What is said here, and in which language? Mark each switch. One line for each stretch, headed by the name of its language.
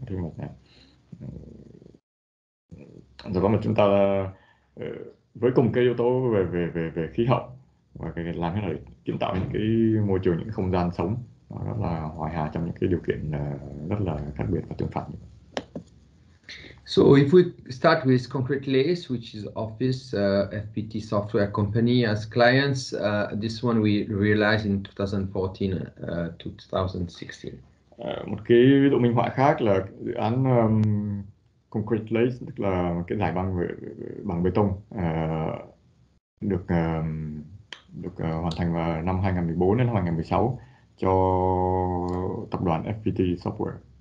Vietnamese: Thì một rồi mà chúng ta với cùng cái yếu tố về khí hậu và cái làm thế nào để kiến tạo những cái môi trường, những không gian sống nó rất là hòa hòa trong những cái điều kiện rất là khác biệt và tương phản.
English: So if we start with Concrete Lace, which is office FPT software company as clients, this one we realized in 2014 to 2016.
Vietnamese: Một cái minh họa khác là dự án Concrete Lace, tức là cái đài băng bằng bê tông được hoàn thành vào năm 2014 đến 2016 cho tập đoàn FPT Software.